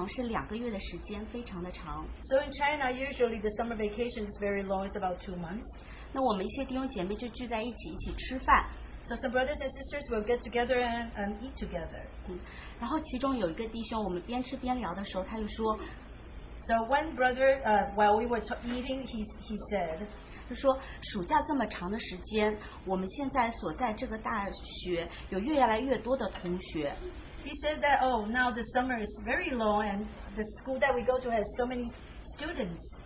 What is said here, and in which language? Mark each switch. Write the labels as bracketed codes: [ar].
[zh] 在中国，放暑假通常是两个月的时间，非常的长。 [en] So in China, usually the summer vacation is very long, it's about 2 months. [zh] 那我们一些弟兄姐妹就聚在一起，一起吃饭。 [en] So some brothers and sisters will get together and eat together. [zh] 然后其中有一个弟兄，我们边吃边聊的时候，他就说。 [en] So one brother, while we were eating, he said, [zh] 就说暑假这么长的时间，我们现在所在这个大学有越来越多的同学。 [en] He said that, oh, now the summer is very long and the school that we go to has so many students.